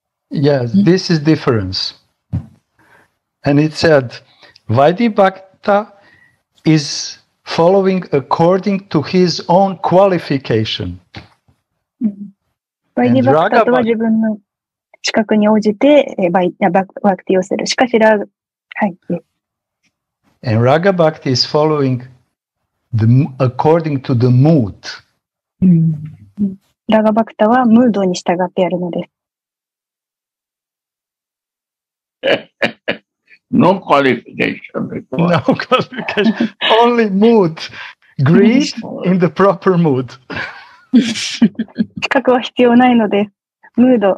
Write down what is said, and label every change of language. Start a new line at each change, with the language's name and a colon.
English: Yes, this is difference. And it said, Vaidhi Bhakta. Is following according to his own qualification.
Japanese: バイディバクタとは自分の資格に応じてバクティをする。しかしラガ、はい。
English: And Raga Bhakti is following the according to the mood.
Japanese: ラガバクタはムードに従ってやるのです。
English: No qualification required. No qualification. Only mood. Greed in the proper mood.
Japanese: 資格は必要ないので、ムード。